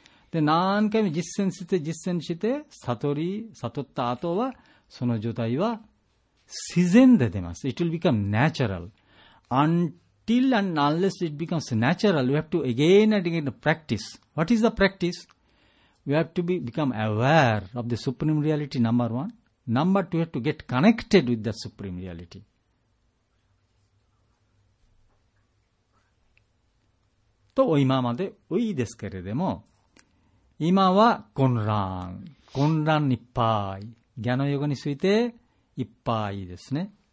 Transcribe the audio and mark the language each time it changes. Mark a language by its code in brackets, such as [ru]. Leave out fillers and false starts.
[ja] で、何回も実践して悟った後はその状態は自然で出ます。 [en] It will become natural. Until and unless it becomes natural, we have to again and again practice. What is the practice? We have to become aware of the supreme reality, number one. Number two, you have to get connected with the supreme reality. [ja] と今まで多いですけれども、今は混乱いっぱい、ギャナヨガについていっぱいですね。